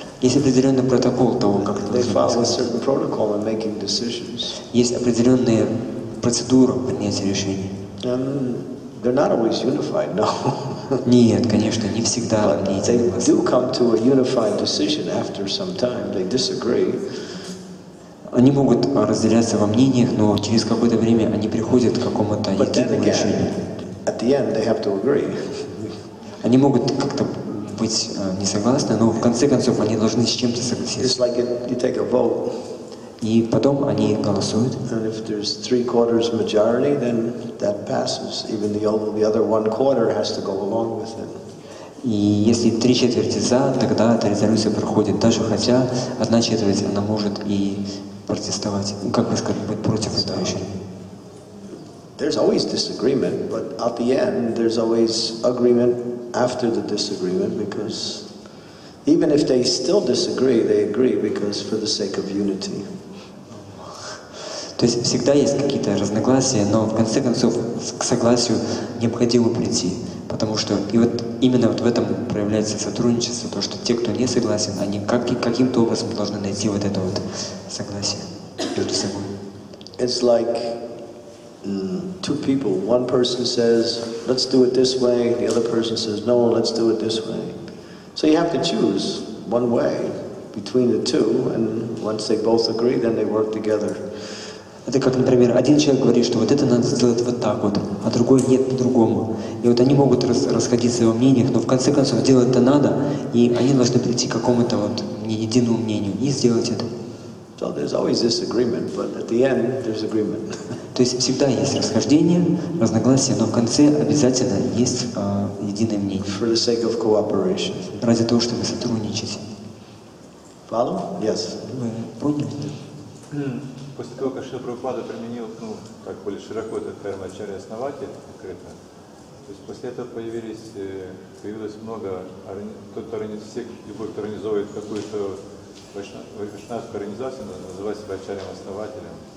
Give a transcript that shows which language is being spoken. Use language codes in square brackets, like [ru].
[ru] Есть определенный протокол того, как [en] это they follow a certain protocol in making decisions. [ru] Есть определенные процедуры принятия решений. [en] They're not always unified, no. [ru] Нет, конечно, не всегда. [en] They do come to a unified decision after some time. They disagree. [ru] Они могут разделяться во мнениях, но через какое-то время они приходят к какому-то единому решению. [en] At the end, they have to agree. [ru] Они могут как-то быть не согласны, но в конце концов они должны с чем-то согласиться. [en] It's like you take a vote. [ru] И потом они голосуют. [en] And if there's three-quarters majority, then that passes. Even the other one-quarter has to go along with it. [ru] И если три четверти за, тогда эта резолюция проходит. Даже хотя одна четверть она может и протестовать, как бы сказать, быть против этого решения. [en] There's always disagreement, but at the end, there's always agreement after the disagreement, because even if they still disagree, they agree because for the sake of unity. [ru] То есть всегда есть какие-то разногласия, но в конце концов к согласию необходимо прийти, потому что и вот именно вот в этом проявляется сотрудничество, то что те, кто не согласен, они каким-то образом должны найти вот это вот согласие между собой. [en] It's like two people. One person says, "Let's do it this way." The other person says, "No, let's do it this way." So you have to choose one way between the two, and once they both agree, then they work together. [ru] Это как, например, один человек говорит, что вот это надо сделать вот так вот, а другой нет по-другому. И вот они могут расходиться во мнениях, но в конце концов делать это надо, и они должны прийти к какому-то вот единому мнению и сделать это. [en] So there's always disagreement, but at the end there's agreement. [ru] То есть всегда есть расхождение, разногласия, но в конце обязательно есть единое мнение. [en] For the sake of cooperation. [ru] Ради того, чтобы сотрудничать. [en] Follow? Yes. [ru] Вы поняли? После того, как Шрила Прабхупада применил, ну, так более широко, это карма ачарья основатель открыто, то есть после этого появилось много, любой, кто организовывает какую-то вайшнавскую организацию, называет себя ачарьем основателем.